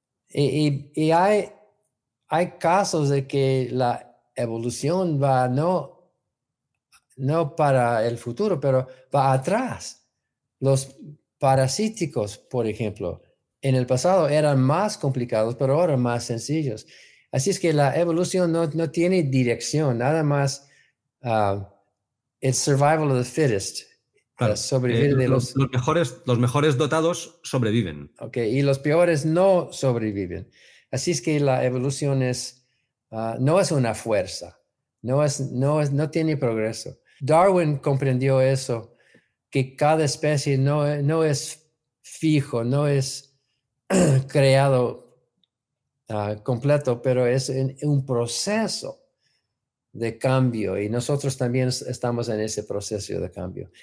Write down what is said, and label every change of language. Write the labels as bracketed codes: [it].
[es] Y hay casos de que la evolución va no para el futuro, pero va atrás. Los parasíticos, por ejemplo, en el pasado eran más complicados, pero ahora más sencillos. Así es que la evolución no tiene dirección, nada más [en] It's survival of the fittest. [es] Claro, sobrevivir de los mejores dotados sobreviven. Okay, y los peores no sobreviven. Así es que la evolución es no es una fuerza, no tiene progreso. Darwin comprendió eso, que cada especie no es fijo, no es creado completo, pero es un proceso de cambio, y nosotros también estamos en ese proceso de cambio.